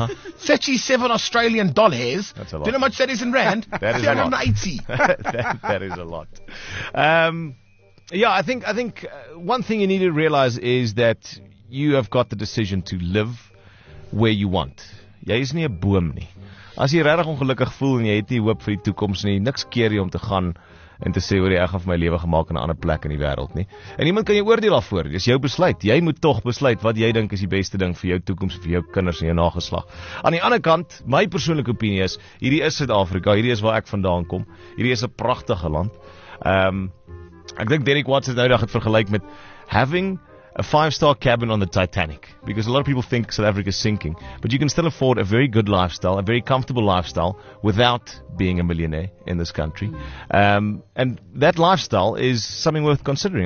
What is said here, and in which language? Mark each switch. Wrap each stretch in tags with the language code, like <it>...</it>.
<en>Uh-huh. 37 Australian dollars. That's a lot. Do you know how much that is in Rand? That is a lot. 380. That is a lot. Yeah, I think one thing you need to realize is that you have got the decision to live where you want.</en> <af>Jy is nie 'n boom nie. As jy regtig ongelukkig voel en jy het nie hoop vir die toekoms nie, niks keer jy om te gaan en te sê, hoor, ek gaan vir my lewe gemaak in 'n ander plek in die wêreld nie. En iemand kan jou oordeel daarvoor. Dis jou besluit. Jy moet tog besluit wat jy dink is die beste ding vir jou toekoms, vir jou kinders en jou nageslag. Aan die ander kant, my persoonlike opinie is, hierdie is Suid-Afrika. Hierdie is waar ek vandaan kom. Hierdie is 'n pragtige land. Ek dink Derek Watts het nou dag het vergelyk met</af> <en>having a 5-star cabin on the Titanic, because a lot of people think South Africa is sinking, but you can still afford a very good lifestyle, a very comfortable lifestyle, without being a millionaire in this country. And that lifestyle is something worth considering.</en>